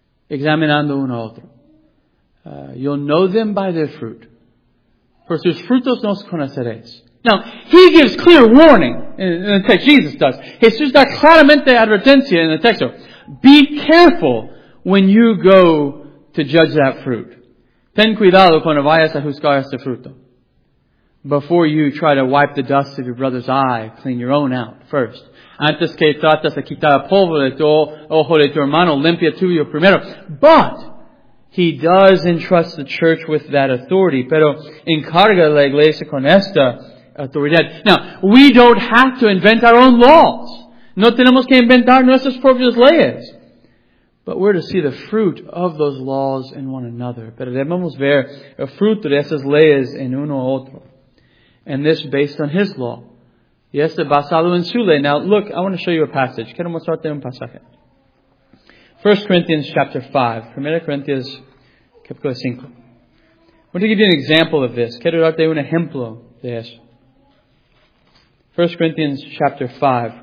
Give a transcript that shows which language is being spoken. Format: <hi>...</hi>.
<es>Examinando uno a otro.</es> <en>You'll know them by their fruit.</en> <es>Por sus frutos nos conoceréis.</es> <en>Now, he gives clear warning in the text. Jesus does.</en> <es>Jesús da claramente advertencia</es> <en>in the text. Be careful when you go to judge that fruit.</en> <es>Ten cuidado cuando vayas a juzgar ese fruto.</es> <en>Before you try to wipe the dust of your brother's eye, clean your own out first.</en> <es>Antes que tratas de quitar el polvo de tu ojo de tu hermano, limpia tuyo primero.</es> <en>But he does entrust the church with that authority.</en> <es>Pero encarga la iglesia con esta autoridad.</es> <en>Now, we don't have to invent our own laws.</en> <es>No tenemos que inventar nuestras propias leyes.</es> <en>But we're to see the fruit of those laws in one another.</en> <es>Pero debemos ver el fruto de esas leyes en uno a otro.</es> <en>And this based on his law.</en> <es>Y este basado en su ley.</es> <en>Now look, I want to show you a passage.</en> <es>Queremos darte un pasaje.</es> <en>1 Corinthians chapter 5. 1 Corinthians capítulo 5. I want to give you an example of this.</en> <es>Quiero darte un ejemplo de eso.</es> <en>1 Corinthians chapter 5.</en>